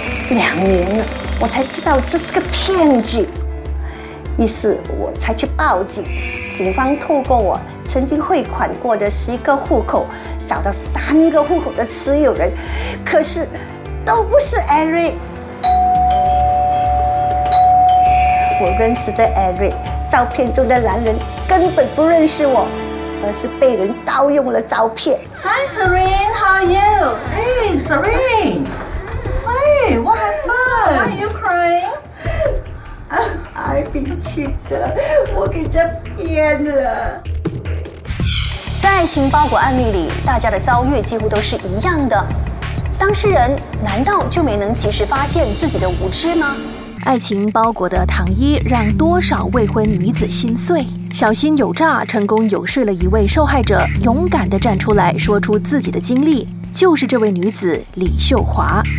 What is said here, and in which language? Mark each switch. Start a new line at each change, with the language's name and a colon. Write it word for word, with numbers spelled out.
Chinese: 两年了，我才知道这是个骗局。于是我才去报警，警方透过我曾经汇款过的十一个户口，找到三个户口的持有人，可是都不是 Eric。我认识的 Eric， 照片中的男人根本不认识我，而是被人盗用了照片。
English: Hi Serene, how are you? Hey Serene, hey, what happened? Why are you crying? I've been cheated，
Chinese: 我给他骗了。在爱情包裹案例里，大家的遭遇几乎都是一样的。当事人难道就没能及时发现自己的无知吗？爱情包裹的糖衣让多少未婚女子心碎，小心有诈成功游说了一位受害者勇敢地站出来说出自己的经历，就是这位女子李秀华。